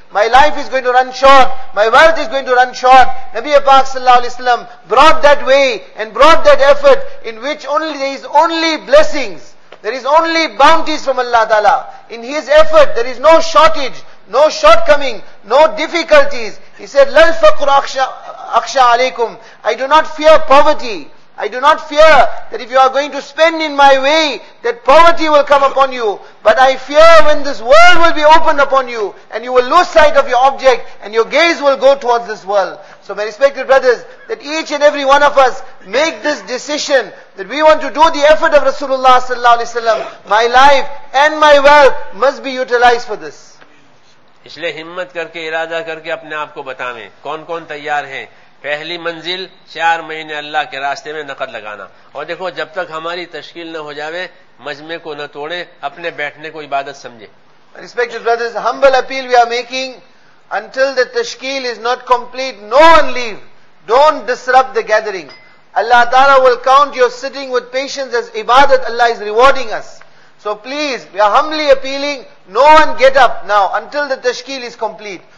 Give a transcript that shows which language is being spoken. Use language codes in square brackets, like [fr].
[en] My life is going to run short. My wealth is going to run short. Nabi Pak sallallahu alayhi wa sallam brought that way and brought that effort in which only there is only blessings. There is only bounties from Allah Ta'ala. In his effort, there is no shortage, no shortcoming, no difficulties. [ar] He said, لَلْ فَقْرُ أَخْشَى عَلَيْكُمْ. [en] I do not fear poverty. I do not fear that if you are going to spend in my way, that poverty will come upon you. But I fear when this world will be opened upon you, and you will lose sight of your object, and your gaze will go towards this world. So my respected brothers, that each and every one of us make this decision that we want to do the effort of Rasulullah sallallahu alaihi wasallam. My life and my wealth must be utilized for this. [ur] Isliye himmat karke irada karke apne aap ko batave kaun kaun taiyar hai. پہلی منزل 4 مہینے اللہ کے راستے میں نقد لگانا. اور دیکھو جب تک ہماری تشکیل نہ ہو جاوے، مجمع کو نہ توڑے، اپنے بیٹھنے کو عبادت سمجھے. [en] Respected brothers, humble appeal we are making, until the tashkeel is not complete, no one leave, don't disrupt the gathering. Allah Ta'ala will count your sitting with patience as ibadat. Allah is rewarding us. So please, we are humbly appealing, no one get up now until the tashkeel is complete.